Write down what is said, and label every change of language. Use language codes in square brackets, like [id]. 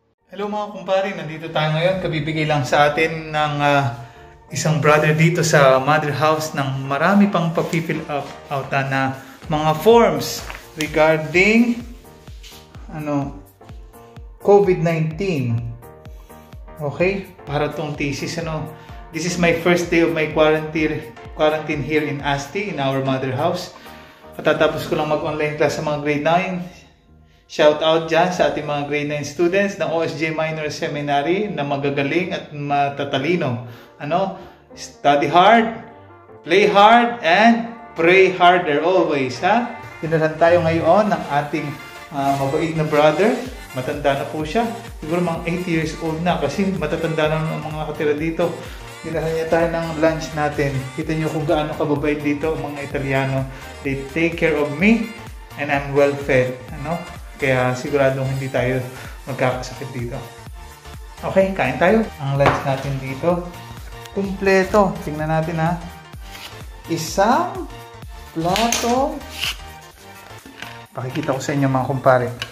[tl] Mga kumpari, nandito tayo ngayon, kabibigay lang sa atin ng isang brother dito sa mother house ng marami pang pa-fill up out na mga forms regarding ano COVID-19. [en] Okay, [tl] para tong thesis, ano, [en] this is my first day of my quarantine here in Asti, in our mother house. [tl] Katatapos ko lang mag-online class sa mga grade 9. Shout out dyan sa ating mga grade 9 students ng OSJ Minor Seminary na magagaling at matatalino. Ano? [en] Study hard, play hard, and pray harder always, ha? [tl] Dinalan tayo ngayon ng ating mabait na brother. Matanda na po siya. Siguro mga 80 years old na kasi matatanda na ang mga katira dito. Dinalan niya tayo ng lunch natin. Kita niyo kung gaano kababait dito ang mga Italiano. [en] They take care of me and I'm well fed. [tl] Ano? Kaya siguradong hindi tayo magkakasakit dito. Okay, kain tayo. Ang lunch natin dito, kumpleto. Tingnan natin ha. Isang plato. Pakikita ko sa inyo mga kumpare.